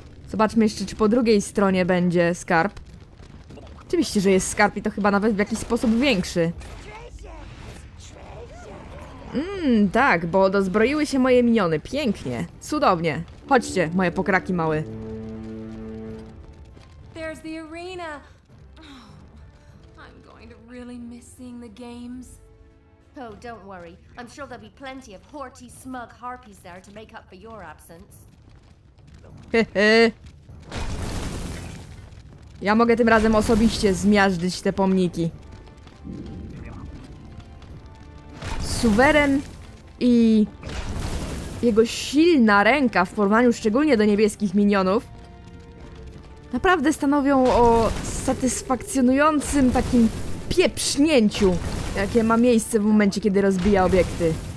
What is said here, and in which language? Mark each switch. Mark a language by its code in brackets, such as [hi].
[pl] Zobaczmy jeszcze, czy po drugiej stronie będzie skarb. Oczywiście, że jest skarb i to chyba nawet w jakiś sposób większy. Tak, bo dozbroiły się moje miniony. Pięknie. Cudownie. Chodźcie, moje pokraki małe. [en] There's the arena. I'm going to really miss seeing the games. Oh, don't worry. I'm sure there'll be plenty of horty, smug harpies there to make up for your absence. [pl] Ja mogę tym razem osobiście zmiażdżyć te pomniki. Suweren i jego silna ręka w porównaniu szczególnie do niebieskich minionów naprawdę stanowią o satysfakcjonującym takim pieprznięciu, jakie ma miejsce w momencie, kiedy rozbija obiekty.